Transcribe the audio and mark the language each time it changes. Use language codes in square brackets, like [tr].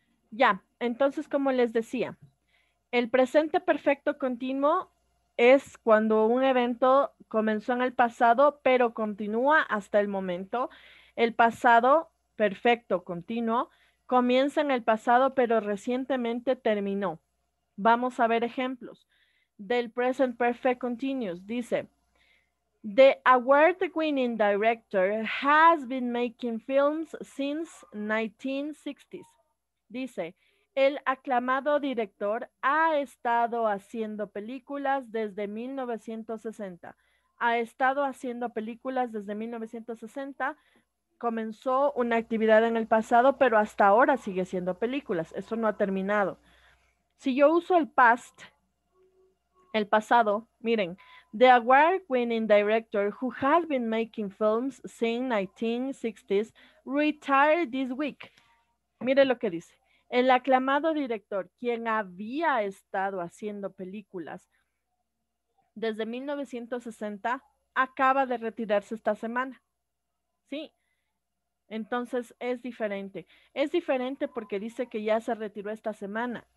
[es] Ya, entonces, como les decía, el presente perfecto continuo es cuando un evento comenzó en el pasado, pero continúa hasta el momento. El pasado perfecto continuo comienza en el pasado, pero recientemente terminó. Vamos a ver ejemplos del present perfect continuous. Dice, [en] the award-winning director has been making films since 1960s. [es] Dice, el aclamado director ha estado haciendo películas desde 1960. Ha estado haciendo películas desde 1960. Comenzó una actividad en el pasado, pero hasta ahora sigue siendo películas. Eso no ha terminado. Si yo uso el past, el pasado, miren, [en] the award-winning director who has been making films since 1960s retired this week. [es] Miren lo que dice. El aclamado director, quien había estado haciendo películas desde 1960, acaba de retirarse esta semana. ¿Sí? Entonces es diferente. Es diferente porque dice que ya se retiró esta semana.